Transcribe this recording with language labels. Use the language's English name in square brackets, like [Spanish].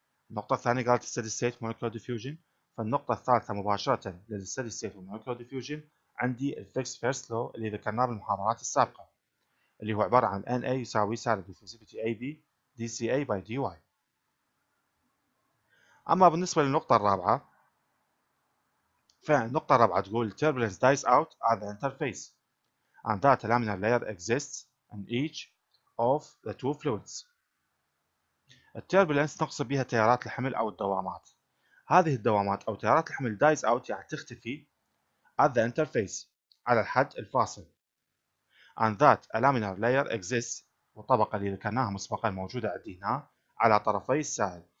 [Arabic] النقطة الثانية قالت steady state molecular diffusion، فالنقطة الثالثة مباشرة لل steady state molecular diffusion عندي fixed first law اللي ذكرناه بالمحاضرات السابقة، اللي هو عبارة عن NA يساوي سالب diffusivity AB DCA by DY. أما بالنسبة للنقطة الرابعة، فالنقطة الرابعة تقول [English] turbulence dies out at the interface and that laminar layer exists in each of the two fluids. [Arabic] turbulence نقصد بها تيارات الحمل أو الدوامات. هذه الدوامات أو تيارات الحمل [English] dies out [Arabic] يعني تختفي [English] at the interface [Arabic] على الحد الفاصل. [English] and that laminar layer exists [Arabic] والطبقة اللي ذكرناها مسبقا موجودة عندي هنا على طرفي السائل.